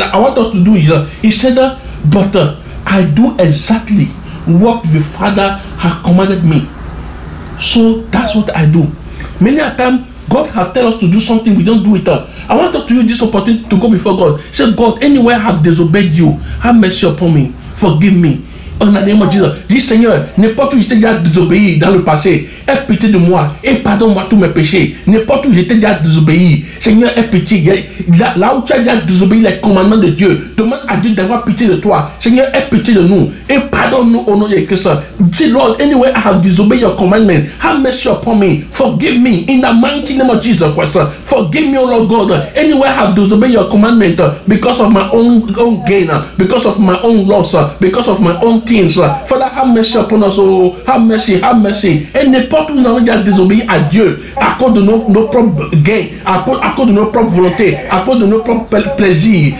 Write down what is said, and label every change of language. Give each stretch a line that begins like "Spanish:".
English: I want us to do it. He said, but I do exactly what the Father has commanded me. So that's what I do. Many a time, God has tell us to do something, we don't do it. I want to use this opportunity to go before God. Say, God, anywhere I have disobeyed you, have mercy upon me. Forgive me.
French: En le nom de Jésus, dis Seigneur, n'importe où j'étais déjà désobéi dans le passé, aie pitié de moi et pardonne-moi tous mes péchés. N'importe où j'étais déjà désobéi, Seigneur, aie pitié. Là où tu as déjà désobéi les commandements de Dieu, demande à Dieu d'avoir pitié de toi. Seigneur, aie pitié de nous et pardonne-nous au nom de Christ.
English: Dis Lord, anywhere I have disobeyed your commandment, have mercy upon me. Forgive me in the mighty name of Jesus Christ. Forgive me, O Lord God, anywhere I have disobeyed your commandment because of my own gain, because of my own loss, because of my own things. Father, have mercy upon us. Oh, have mercy, have mercy.
French: Et n'importe où nous avons déjà désobéi à Dieu, à cause de nos propres gains, à cause de nos propres volontés, à cause de nos propres plaisirs.